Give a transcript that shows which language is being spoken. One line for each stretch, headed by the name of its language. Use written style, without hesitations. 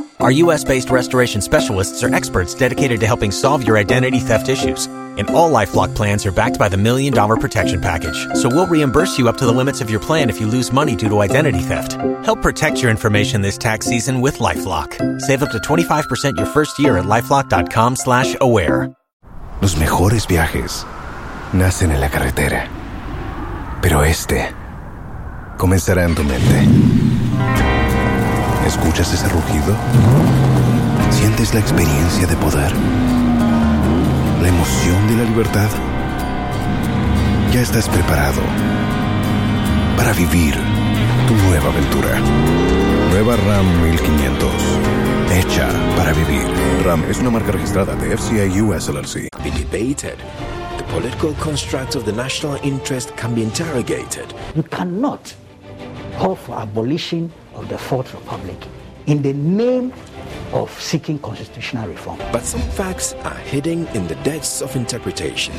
English: Our U.S.-based restoration specialists are experts dedicated to helping solve your identity theft issues. And all LifeLock plans are backed by the $1 Million Protection Package. So we'll reimburse you up to the limits of your plan if you lose money due to identity theft. Help protect your information this tax season with LifeLock. Save up to 25% your first year at LifeLock.com/aware.
Spanish: Los mejores viajes nacen en la carretera, pero este comenzará en tu mente. ¿Escuchas ese rugido? ¿Sientes la experiencia de poder? ¿La emoción de la libertad? Ya estás preparado para vivir tu nueva aventura. Nueva Ram 1500. Hecha para vivir. Ram es una marca registrada de FCA US LLC.
English: Can be debated. The political construct of the national interest can be interrogated. You cannot call for abolition of the Fourth Republic in the name of seeking constitutional reform. But some facts are hidden in the depths of interpretation.